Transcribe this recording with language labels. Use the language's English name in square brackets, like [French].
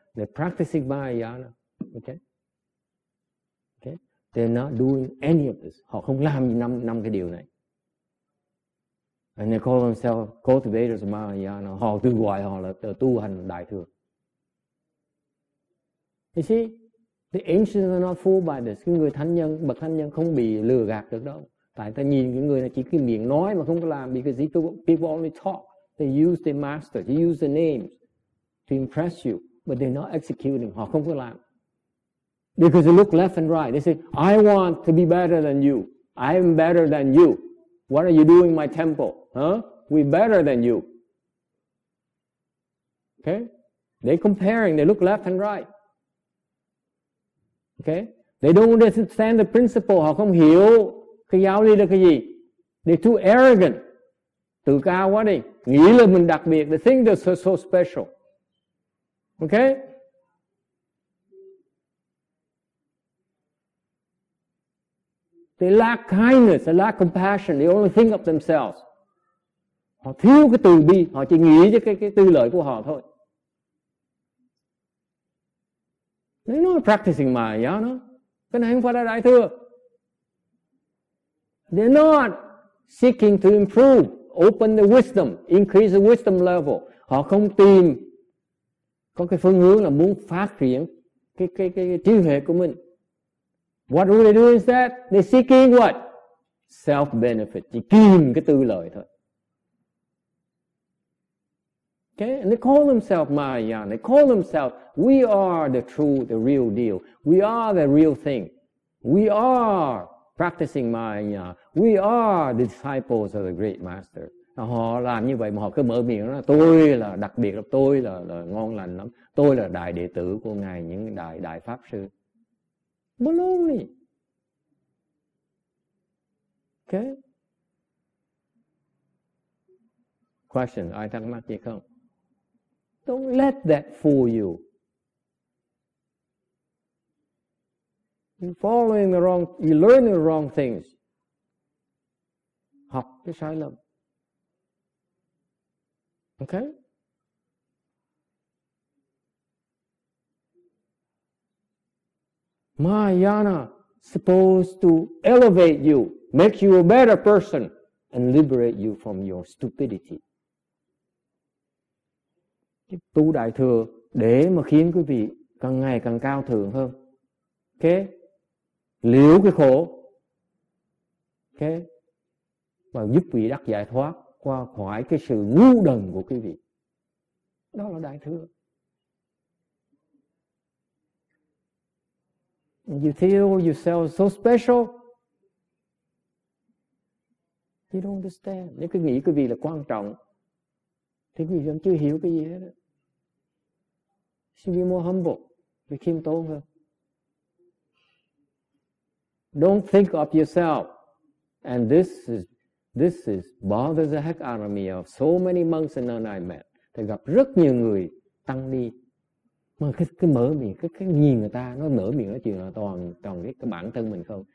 [English] They're practicing Mahayana, okay? They're not doing any of this. [Vietnamese] Họ không làm năm cái điều này. [English] And they call themselves cultivators of Mahayana. [Vietnamese] Họ tự gọi họ là tu hành Đại Thừa. [English] You see, the ancients are not fooled by this. [Vietnamese] Cái người thánh nhân, bậc thánh nhân không bị lừa gạt được đâu. Tại ta nhìn cái người này chỉ cái miệng nói mà không có làm. [English] Because people only talk. They use the master, they use the name to impress you. But they're not executing. [Vietnamese] Họ không có làm. [English] Because they look left and right. They say, I want to be better than you. I am better than you. What are you doing in my temple? Huh? We're better than you. Okay? They're comparing. They look left and right. Okay? They don't understand the principle. [Vietnamese] Họ không hiểu cái giáo lý là cái gì. [English] They're too arrogant. [Vietnamese] Tự cao quá đi. Nghĩ là mình đặc biệt. [English] They think they're so, so special. Okay? They lack kindness. They lack compassion. They only think of themselves. [Vietnamese] Họ thiếu cái từ bi. Họ chỉ nghĩ cho cái tư lợi của họ thôi. [English] They're not practicing Mahayana. [Vietnamese] Cái này không phải là đại thừa. [English] They're not seeking to improve, open the wisdom, increase the wisdom level. [Vietnamese] Họ không tìm có cái phương hướng là muốn phát triển cái trí huệ của mình. [English] What do they do instead? They're seeking what? Self-benefit. [Vietnamese] Chỉ kiếm cái tư lợi thôi. [English] Okay? And they call themselves Mahayana. They call themselves, we are the true, the real deal. We are the real thing. We are practicing Mahayana. We are the disciples of the great master. [Vietnamese] Họ làm như vậy mà họ cứ mở miệng nói, tôi là đặc biệt, tôi là ngon lành lắm. Tôi là đại đệ tử của Ngài, những đại pháp sư. [English] Baloney. Okay? [Vietnamese] Question, ai thắc mắc gì không? [English] Don't let that fool you. You're following the wrong, you're learning the wrong things. [Vietnamese] Học cái sai lầm. [English] Okay? Mahayana supposed to elevate you, make you a better person, and liberate you from your stupidity. [Vietnamese] Tu đại thừa để mà khiến quý vị càng ngày càng cao thượng hơn. Okay? Liễu cái khổ. Okay? Và giúp quý vị đắc giải thoát qua khỏi cái sự ngu đần của quý vị. Đó là đại thừa. [English] You feel yourself so special. You don't understand. [Vietnamese] Nếu cứ nghĩ quý vị là quan trọng, thì quý vị vẫn chưa hiểu cái gì hết. [English] Should be more humble. Be [Vietnamese] khiêm tốn hơn. [English] Don't think of yourself. And this is bothers the heck out of me of so many monks and nuns I met. [Vietnamese] Thì gặp rất nhiều người tăng ni. Mà cái mở miệng, cái nhìn người ta, nó mở miệng nói chuyện là toàn cái bản thân mình không.